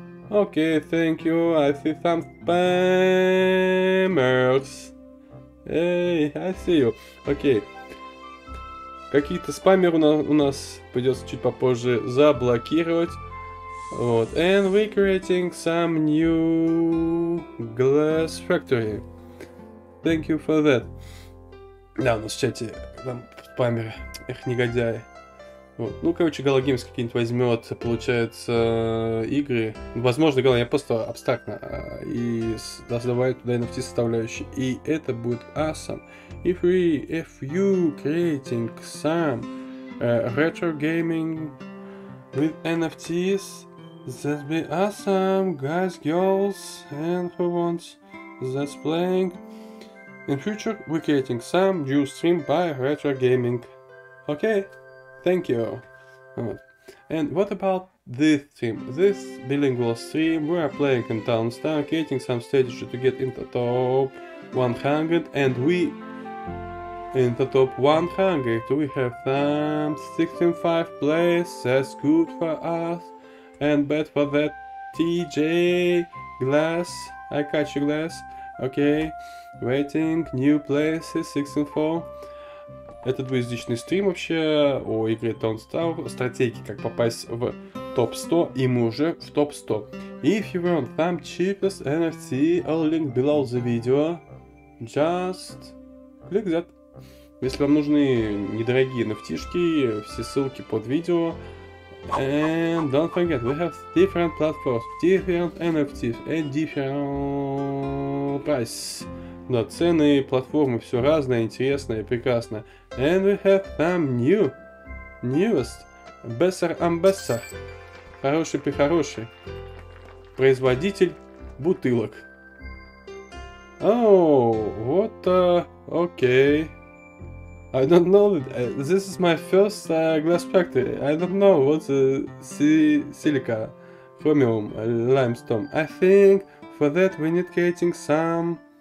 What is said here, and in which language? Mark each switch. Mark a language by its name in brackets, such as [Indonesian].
[English] Okay, thank you, I see some spammers. Hey, I see you. Okay. [Russian] Какие-то спамеры у нас придется чуть попозже заблокировать. Вот. [English] And we creating some new glass factory. Thank you for that. [Russian] Да, у нас в чате там спамеры. Эх, негодяи. Вот. Ну, короче, Gala Games какие-нибудь возьмет, получается, игры. Возможно, Gala, я просто абстрактно и создаваю туда NFT составляющие. И это будет awesome. [English] If we, if you creating some retro gaming with NFTs, that'd be awesome, guys, girls, and who wants that's playing. In future, we're creating some new stream by retro gaming. Okay. Thank you. And what about this stream? This bilingual stream, we are playing in TownStar, creating some strategy to get into top 100, and we in the top 100. We have some 65 plays, that's good for us, and bad for that TJ Glass. I catch you, Glass. Okay, waiting, new places, 64. [Russian] Это двуязычный стрим вообще о игре TownStar, стратегии, как попасть в топ 100, и мы уже в топ 100. [English] If you want some cheapest NFT, all link below the video, just click that. [Russian] Если вам нужны недорогие NFT-шки, все ссылки под видео. [English] And don't forget, we have different platforms, different NFTs and different price. [Russian] Да, цены, платформы, все разное, интересное, прекрасное. [English] And we have some new, newest, better ambassador. [Russian] Хороший-прехороший. Производитель бутылок. [English] Oh, what a... Okay. I don't know, this is my first glass factory. I don't know what the silica, chromium, limestone. I think for that we need creating some...